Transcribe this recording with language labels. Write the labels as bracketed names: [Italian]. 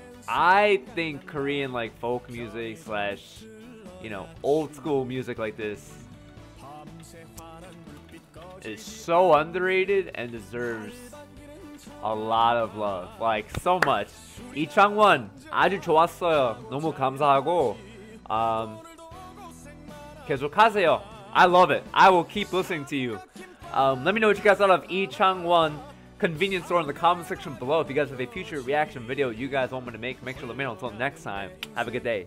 [English] I think Korean like folk music slash, you know, old school music like this is so underrated and deserves a lot of love, like so much. [Korean] 이 창원 아주 좋았어요. 너무 감사하고 계속하세요. [English] I love it. I will keep listening to you. Let me know what you guys thought of 이 창원 convenience store in the comment section below. If you guys have a future reaction video you guys want me to make, make sure to let me know. Until next time, have a good day.